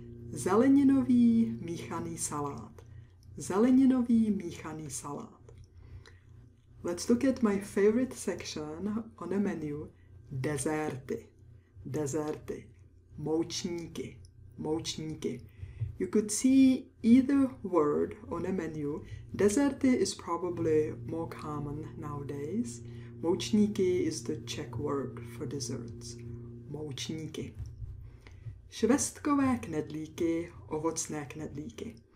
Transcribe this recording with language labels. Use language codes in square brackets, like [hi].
[cs] Zeleninový míchaný salát. Zeleninový míchaný salát. [en] Let's look at my favorite section on a menu. [cs] Dezerty. Dezerty. Moučníky. Moučníky. [en] You could see either word on a menu. Dezerty is probably more common nowadays. Moučníky is the Czech word for desserts. [cs] Moučníky. Švestkové knedlíky, ovocné knedlíky.